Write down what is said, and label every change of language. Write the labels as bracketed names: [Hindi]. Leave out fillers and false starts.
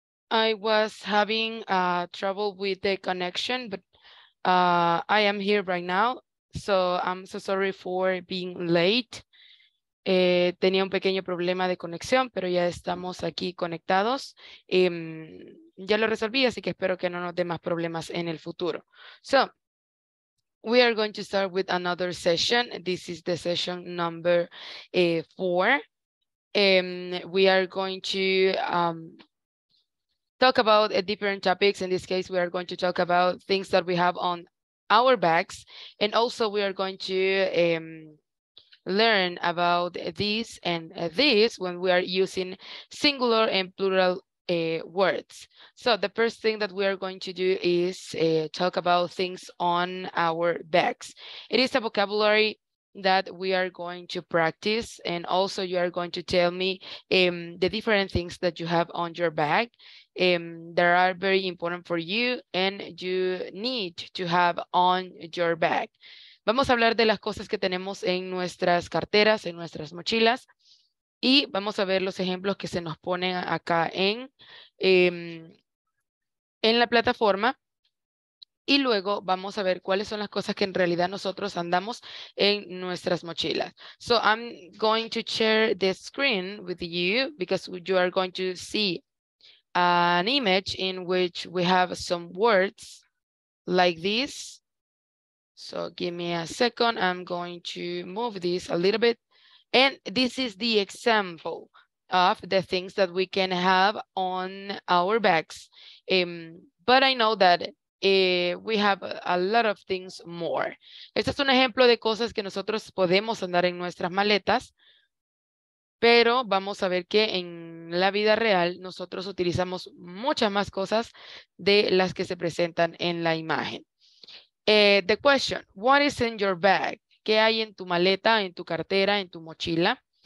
[English] I was having trouble with the connection, but I am here right now. So I'm so sorry for being late. [Spanish] Tenía un pequeño problema de conexión, pero ya estamos aquí conectados. Ya lo resolví, así que espero que no nos dé más problemas en el futuro. [English] So, we are going to start with another session. This is the session number 4. We are going to talk about different topics. In this case, we are going to talk about things that we have on our backs. And also we are going to learn about this and this when we are using singular and plural words. So the first thing that we are going to do is talk about things on our backs. It is a vocabulary that we are going to practice, and also you are going to tell me the different things that you have on your bag that are very important for you and you need to have on your bag. [Spanish] Vamos a hablar de las cosas que tenemos en nuestras carteras, en nuestras mochilas, y vamos a ver los ejemplos que se nos ponen acá en la plataforma. Y luego vamos a ver cuáles son las cosas que en realidad nosotros andamos en nuestras mochilas. [English] So I'm going to share the screen with you because you are going to see an image in which we have some words like this. So give me a second. I'm going to move this a little bit. And this is the example of the things that we can have on our backs. But I know that we have a lot of things more. [Spanish] Este es un ejemplo de cosas que nosotros podemos andar en nuestras maletas, pero vamos a ver que en la vida real nosotros utilizamos muchas más cosas de las que se presentan en la imagen. [English] The question, what is in your bag? [Spanish] ¿Qué hay en tu maleta, en tu cartera, en tu mochila?